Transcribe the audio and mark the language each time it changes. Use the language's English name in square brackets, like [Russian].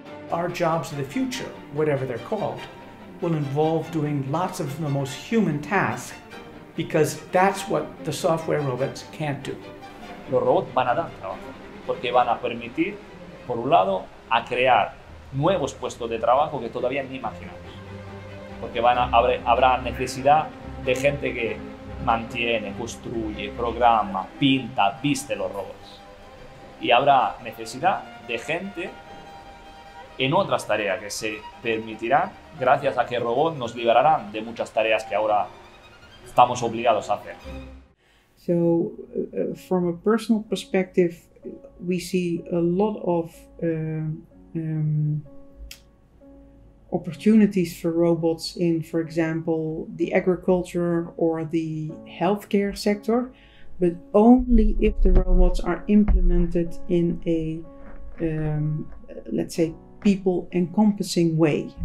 [English] Our jobs of the future, whatever they're called, will involve doing lots of the most human tasks, because that's what the software robots can't do. [Spanish] Los robots van a dar trabajo, porque van a permitir, por un lado, a crear nuevos puestos de trabajo que todavía ni imaginamos. Porque habrá necesidad de gente que mantiene, construye, programa, pinta, viste los robots. Y habrá necesidad de gente en otras tareas que se permitirán gracias a que robots nos liberarán de muchas tareas que ahora estamos obligados a hacer. [English] So, from a personal perspective, we see a lot of opportunities for robots in, for example, the agriculture or the healthcare sector, but only if the robots are implemented in a, let's say, people encompassing way.